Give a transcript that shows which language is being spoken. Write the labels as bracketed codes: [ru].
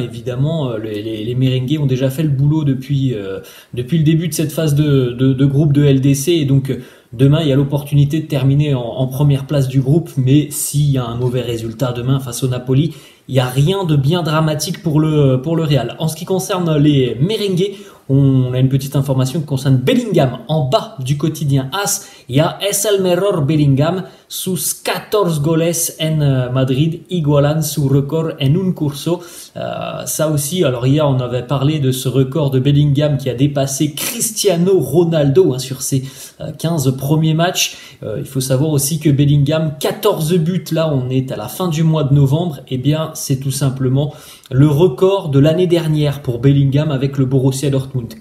[fr] Évidemment, les Merengues ont déjà fait le boulot depuis le début de cette phase de groupe de LDC. Et donc demain, il y a l'opportunité de terminer en première place du groupe. Mais s'il y a un mauvais résultat demain face au Napoli, il n'y a rien de bien dramatique pour le Real. En ce qui concerne les Merengues, on a une petite information qui concerne Bellingham. En bas du quotidien AS, il y a [es] Es el mejor Bellingham, sus 14 goles en Madrid, igualan su record en un curso. [fr] Ça aussi, alors hier on avait parlé de ce record de Bellingham qui a dépassé Cristiano Ronaldo hein, sur ses 15 premiers matchs. Il faut savoir aussi que Bellingham, 14 buts, là on est à la fin du mois de novembre, et eh bien c'est tout simplement le record de l'année dernière pour Bellingham avec le Borussia Dortmund.